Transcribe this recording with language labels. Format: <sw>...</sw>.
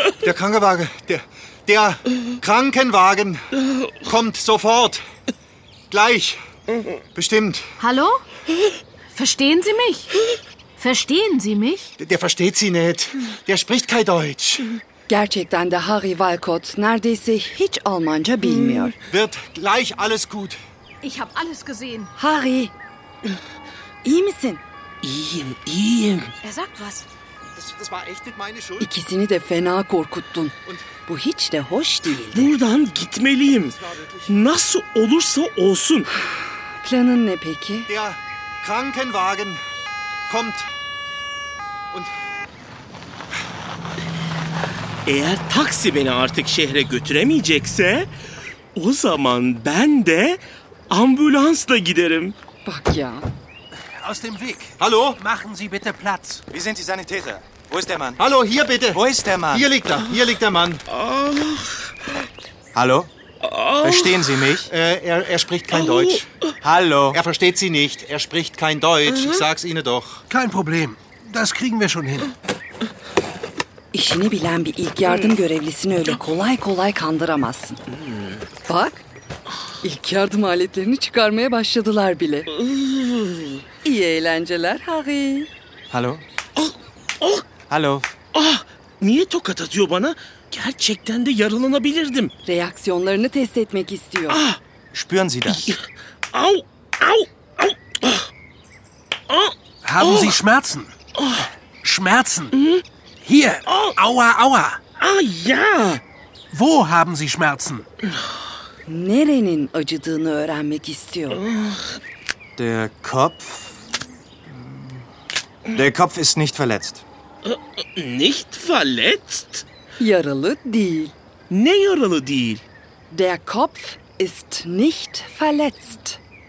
<de>Der Krankenwagen, der Krankenwagen kommt sofort. Gleich. Bestimmt. Hallo? Verstehen Sie mich? Verstehen Sie mich? Der versteht Sie nicht. Der spricht kein Deutsch.</de> <tr>Gerçekten de Harry Walcott neredeyse hiç Almanca bilmiyor.</tr> <de>Wird gleich alles gut. Ich hab alles gesehen.</de> <tr>Harry, iyi misin? İyiyim, iyiyim.</tr> <de>Er sagt was. Das war echt nicht meine Schuld.</de> <tr>İkisini de fena korkuttun. Bu hiç de hoş değil. Buradan gitmeliyim. Nasıl olursa olsun. Planın ne peki?</tr> <de>Der Krankenwagen kommt.</de> <tr>Eğer taksi beni artık şehre götüremeyecekse, o zaman ben de ambulansla giderim. Bak ya.</tr> <de>Aus dem Weg. Hallo? Machen Sie bitte Platz. Wir sind die Sanitäter. Wo ist der Mann? Hallo, hier bitte. Wo ist der Mann? Hier liegt er. Hier liegt der Mann. Hallo? Verstehen Sie mich? Er spricht kein Deutsch. Hallo? Er versteht Sie nicht. Er spricht kein Deutsch. Ich sag's Ihnen doch. Kein Problem. Das kriegen wir schon hin.</de> <tr>İşini bilen bir ilk yardım görevlisini öyle kolay kolay kandıramazsın. Bak, ilk yardım aletlerini çıkarmaya başladılar bile. İyi eğlenceler Harry.</tr> <de>Hallo. Hallo.</de> <tr>Niye tokat atıyor bana? Gerçekten de yaralanabilirdim. Reaksiyonlarını test etmek istiyor.</tr> <de>Spüren Sie das? Au, au, au. Haben Sie Schmerzen? Schmerzen? Hier, aua, aua. Ah, ja. Wo haben Sie Schmerzen?</de> <tr>Nerenin acıdığını öğrenmek istiyor.</tr> <de>Der Kopf. Der Kopf ist nicht verletzt. Nicht verletzt?</de> <tr>Yaralı değil. Ne yaralı değil?</tr> <de>Der Kopf ist nicht verletzt.</de>